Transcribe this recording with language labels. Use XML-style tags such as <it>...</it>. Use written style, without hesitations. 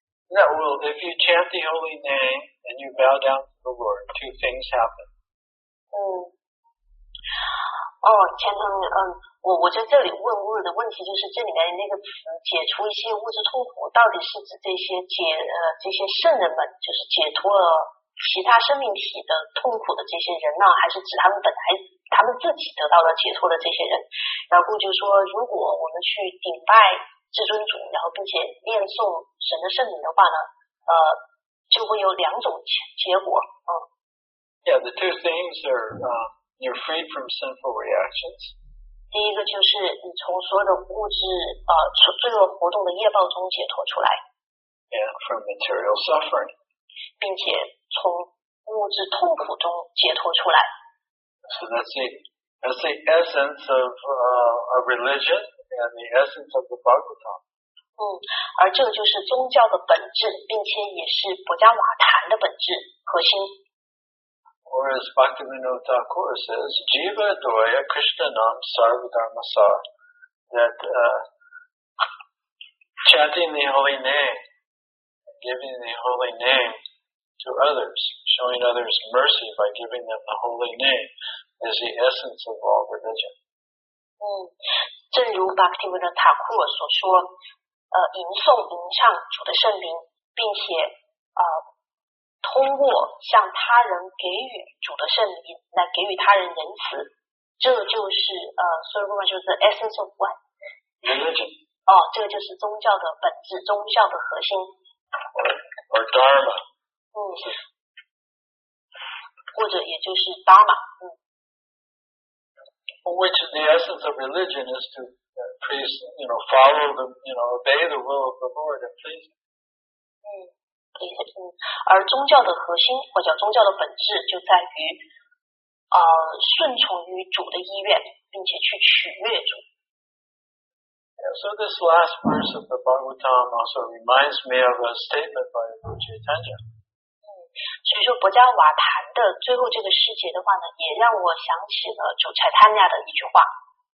<en>Yeah, well, if you chant the holy name and you bow down to the Lord, two things happen.</en> <zh>我在这里问物的问题就是这里面那个词解除一些物质痛苦到底是指这些圣人们就是解脱了其他生命体的痛苦的这些人呢，还是指他们自己得到了解脱的这些人。然后就说如果我们去顶拜至尊主，然后并且念诵神的圣名的话呢，就会有两种结果。</zh> <en>Yeah, the two things are, you're freed from sinful reactions.</en> <zh>第一个就是你从所有的物质罪恶活动的业报中解脱出来。</zh> <en>And from material suffering.</en> <zh>并且从物质痛苦中解脱出来。</zh> <en>So that's the essence of a religion. And the essence of the Bhagavatam.</en> <zh>而这个就是宗教的本质，并且也是佛家瓦坛的本质核心。</zh> <en>Or as Bhaktivinoda Thakur says,</en> <bn>Jiva Doya Krishna Nam Sarva Dharma Sar,</bn> <en>that chanting the holy name, giving the holy name to others, showing others mercy by giving them the holy name, is the essence of all religion.</en> <zh>正如巴克提维的塔库尔所说，吟诵吟唱主的圣名，并且通过向他人给予主的圣名来给予他人仁慈，这就是就是</zh> <en>essence of what religion</en> <zh>这个就是宗教的本质，宗教的核心。</zh> <en>or Dharma.</en> <zh>嗯，或者也就是 Dharma。嗯。</zh> <en>Which is the essence of religion is to please, you know, follow the, you know, obey the will of the Lord and please. 嗯。</en> <zh>而宗教的核心或者宗教的本质就在于顺从于主的意愿并且去取悦主。</zh> <en>Yeah, so this last verse of the Bhagavatam also reminds me of a statement by Lord Chaitanya.</en> <zh>嗯，所以说博迦瓦坛的最后这个诗节的话呢也让我想起了主柴坦尼亚的一句话。</zh>